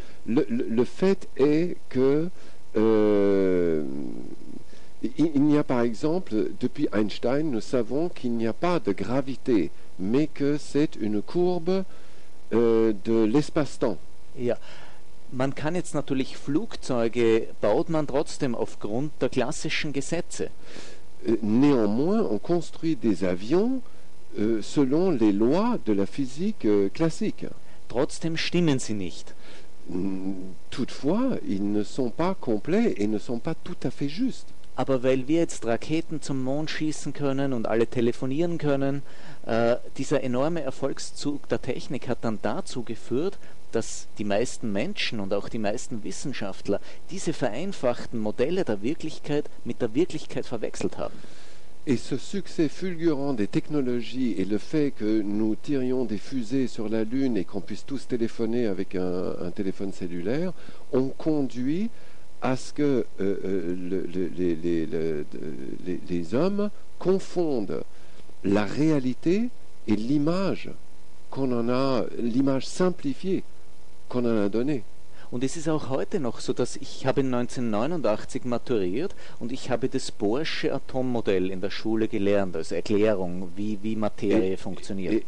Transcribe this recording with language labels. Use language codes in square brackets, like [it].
[fr] le fait est que il n'y a par exemple depuis Einstein nous savons qu'il n'y a pas de gravité mais que c'est une courbe de l'espace-temps. [de] Ja, man kann jetzt natürlich Flugzeuge baut man trotzdem aufgrund der klassischen Gesetze. [fr] Néanmoins, on construit des avions selon les lois de la physique classique. [de] Trotzdem stimmen sie nicht. [fr] Toutefois, ils ne sont pas complets et ne sont pas tout à fait justes. [de] Aber weil wir jetzt Raketen zum Mond schießen können und alle telefonieren können, dieser enorme Erfolgszug der Technik hat dann dazu geführt, dass die meisten Menschen und auch die meisten Wissenschaftler diese vereinfachten Modelle der Wirklichkeit mit der Wirklichkeit verwechselt haben. [fr] Et ce succès fulgurant des technologies et le fait que nous tirions des fusées sur la Lune et qu'on puisse tous téléphoner avec un téléphone cellulaire ont conduit à ce que les hommes confondent la réalité et l'image qu'on en a, l'image simplifiée qu'on en a donnée. [de] Und es ist auch heute noch so, dass ich habe 1989 maturiert und ich habe das Bohrsche Atommodell in der Schule gelernt, als Erklärung, wie Materie funktioniert.